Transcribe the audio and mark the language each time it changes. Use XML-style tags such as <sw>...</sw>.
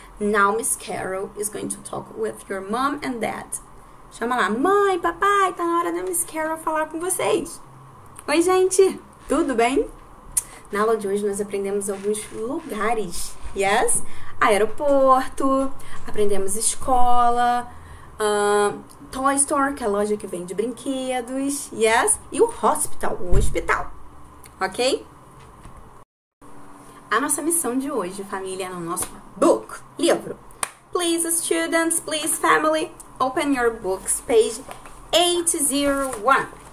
<en>Now Miss Carol is going to talk with your mom and dad.</en> <pt>Chama lá, mãe, papai, tá na hora da Miss Carol falar com vocês. Oi, gente. Tudo bem? Na aula de hoje nós aprendemos alguns lugares. Yes? Aeroporto, aprendemos escola, Toy Store, que é a loja que vende brinquedos, yes? E o hospital, o hospital, ok? A nossa missão de hoje, família, no nosso book, livro.</pt> <en>Please, students, please, family, open your books, page 801.</en>